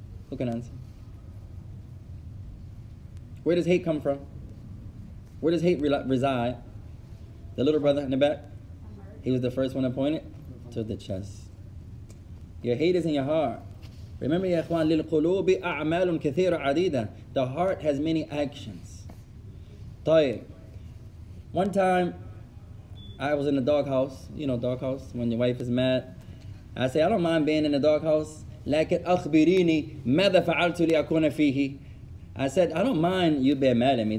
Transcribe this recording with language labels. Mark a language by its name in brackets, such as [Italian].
[English] Who can answer? Where does hate come from? Where does hate reside? The little brother in the back? He was the first one to point it to the chest. Your hate is in your heart. [Arabic] Remember, يا إخوان, للقلوب أعمال كثيرة عديدة. [English] The heart has many actions. [Arabic] طيب. [English] One time, I was in the doghouse. You know, doghouse, when your wife is mad. I say, I don't mind being in the doghouse. [Arabic] لكن أخبريني ماذا فعلت لأكون فيه. [English] I said, I don't mind you being mad at me.